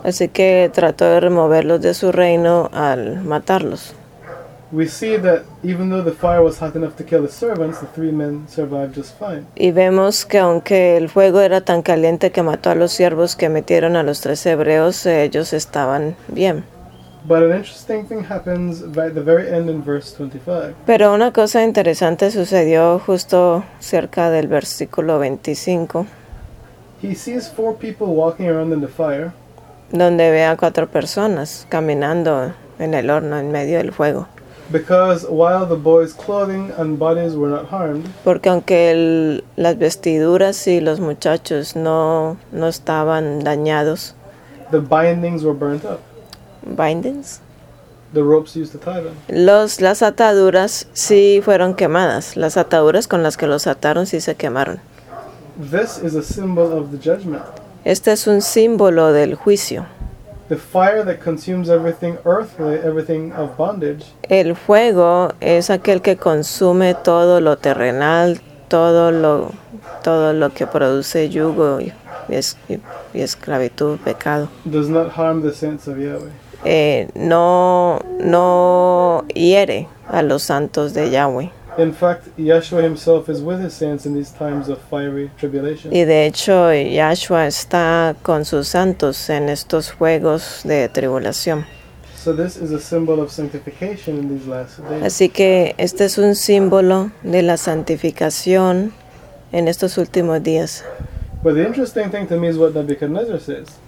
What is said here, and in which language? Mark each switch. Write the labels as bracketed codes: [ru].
[es] Así que trató de removerlos de su reino al matarlos. [en] We see that even though the fire was hot enough to kill the servants, the three men survived just fine. [es] Y vemos que aunque el fuego era tan caliente que mató a los siervos que metieron a los tres hebreos, ellos estaban bien. [en] But an interesting thing happens by the very end in verse 25. [es] Pero una cosa interesante sucedió justo cerca del versículo 25. [en] He sees four people walking around in the fire. [es] Donde ve a cuatro personas caminando en el horno en medio del fuego. [en] Because while the boys' clothing and bodies were not harmed, [es] porque aunque las vestiduras y los muchachos no estaban dañados, [en] the bindings were burnt up. Bindings? The ropes used to tie them. [es] Las ataduras sí fueron quemadas. Las ataduras con las que los ataron sí se quemaron. [en] This is a symbol of the judgment. [es] Este es un símbolo del juicio. [en] The fire that consumes everything earthly, everything of bondage. [es] El fuego es aquel que consume todo lo terrenal, todo lo que produce yugo y esclavitud, pecado. [en] Does not harm the saints of Yahweh. [es] No hiere a los santos de Yahweh. [en] In fact, Yahshua himself is with his saints in these times of fiery tribulation. [es] Y de hecho, Yahshua está con sus santos en estos fuegos de tribulación. [en] So this is a symbol of sanctification in these last days. [es] Así que este es un símbolo de la santificación en estos últimos días. [en] But the interesting thing to me is what Nebuchadnezzar says.